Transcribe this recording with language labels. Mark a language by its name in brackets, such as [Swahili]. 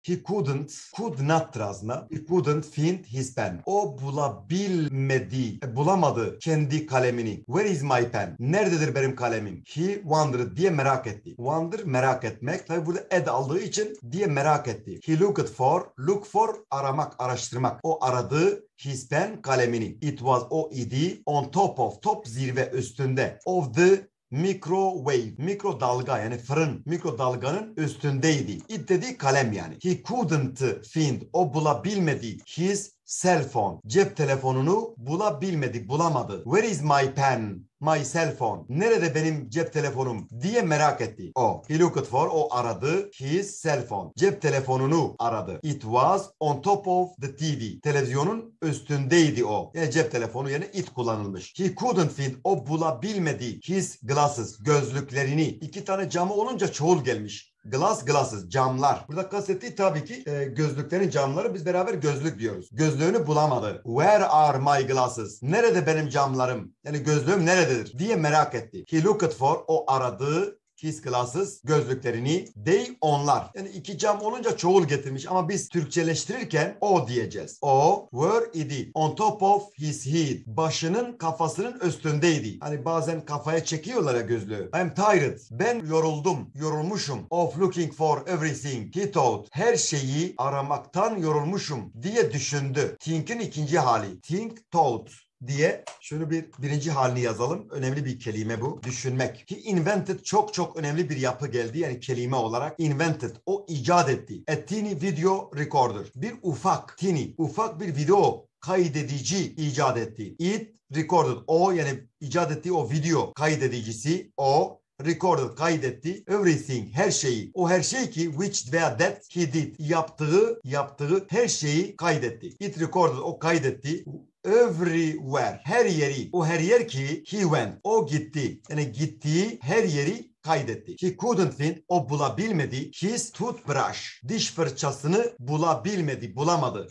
[English] He couldn't, could not razna. He couldn't find his pen. [Turkish] O bulabilmedi, bulamadı kendi kalemini. [English] Where is my pen? [Turkish] Nerededir benim kalemim? [English] He wondered, [Turkish] diye merak etti. Wonder, merak etmek. Tabii burada ed aldığı için diye merak etti. [English] He looked for, look for, [Turkish] aramak, araştırmak. O aradı [English] his pen, [Turkish] kalemini. [English] It was, [Turkish] o idi, [English] on top of, top [Turkish] zirve üstünde. [English] Of the microwave, [Turkish] mikrodalga yani fırın, mikrodalganın üstündeydi. It dediği kalem yani. [English] He couldn't find, [Turkish] o bulabilmedi [English] his cell phone, [Turkish] cep telefonunu bulabilmedi, bulamadı. [English] Where is my pen, my cell phone, [Turkish] nerede benim cep telefonum diye merak etti. O, [English] he looked for, [Turkish] o aradı [English] his cell phone, [Turkish] cep telefonunu aradı. [English] It was on top of the TV, [Turkish] televizyonun üstündeydi o. Yani cep telefonu yerine it kullanılmış. [English] He couldn't find, [Turkish] o bulabilmedi [English] his glasses, [Turkish] gözlüklerini. İki tane camı olunca çoğul gelmiş. Glass, glasses, camlar. Burada kastettiği tabii ki gözlüklerin camları. Biz beraber gözlük diyoruz. Gözlüğünü bulamadı. [English] Where are my glasses? [Turkish] Nerede benim camlarım? Yani gözlüğüm nerededir? Diye merak etti. [English] He looked for, [Turkish] o aradı [English] his glasses, [Turkish] gözlüklerini. They, onlar. Yani iki cam olunca çoğul getirmiş ama biz Türkçeleştirirken o diyeceğiz. [English] O, where idi? On top of his head. [Turkish] Başının, kafasının üstündeydi. Hani bazen kafaya çekiyorlar ya gözlüğü. [English] I'm tired. [Turkish] Ben yoruldum. Yorulmuşum. [English] Of looking for everything, he thought. [Turkish] Her şeyi aramaktan yorulmuşum diye düşündü. Think'in ikinci hali. Think, thought diye şunu bir birinci halini yazalım. Önemli bir kelime bu. Düşünmek. [English] He invented, [Turkish] çok çok önemli bir yapı geldi yani kelime olarak. [English] Invented, [Turkish] o icat etti. [English] A teeny video recorder. [Turkish] Bir ufak, teeny, ufak bir video kaydedici icat etti. [English] It recorded, [Turkish] o yani icat ettiği o video kaydedicisi, o recorded, kaydetti. Everything, her şeyi. O her şey ki, which veya [English] that he did. [Turkish] Yaptığı her şeyi kaydetti. [English] It recorded, [Turkish] o kaydetti. Everywhere, her yeri. O her yer ki, [English] he went, [Turkish] o gitti. Yani gittiği her yeri kaydetti. [English] He couldn't find, [Turkish] o bulabilmedi [English] his toothbrush, [Turkish] diş fırçasını bulabilmedi, bulamadı.